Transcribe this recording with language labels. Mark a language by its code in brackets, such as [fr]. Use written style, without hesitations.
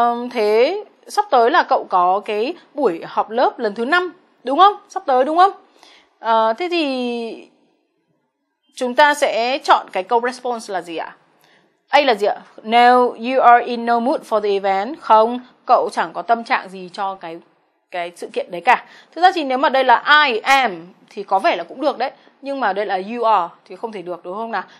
[vi] Thế sắp tới là cậu có cái buổi họp lớp lần thứ 5, đúng không? Sắp tới đúng không? Thế thì chúng ta sẽ chọn cái câu response là gì ạ? A là gì ạ? [en] No, you are in no mood for the event. [vi] Không, cậu chẳng có tâm trạng gì cho cái sự kiện đấy cả. Thực ra thì nếu mà đây là [en] I am [vi] thì có vẻ là cũng được đấy, nhưng mà đây là [en] you are [vi] thì không thể được, đúng không nào?